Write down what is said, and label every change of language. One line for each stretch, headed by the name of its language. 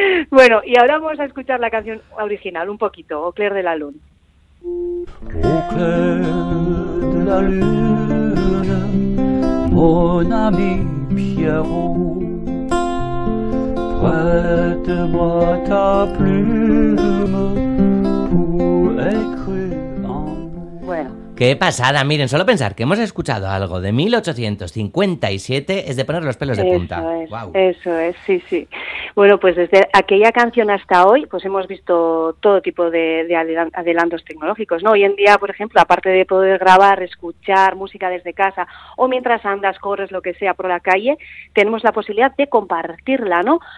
Spanish: Bueno, y ahora vamos a escuchar la canción original, un poquito, Au clair de la lune.
French: Au clair de la lune, mon ami Pierrot, prête-moi ta plume pour écrire un
Spanish: Bueno. ¡Qué pasada! Miren, solo pensar que hemos escuchado algo de 1857 es de poner los pelos de punta. Eso es, sí. Bueno, pues desde aquella canción hasta hoy, pues hemos visto todo tipo de adelantos tecnológicos, ¿no? Hoy en día, por ejemplo, aparte de poder grabar, escuchar música desde casa o mientras andas, corres, lo que sea, por la calle, tenemos la posibilidad de compartirla, ¿no?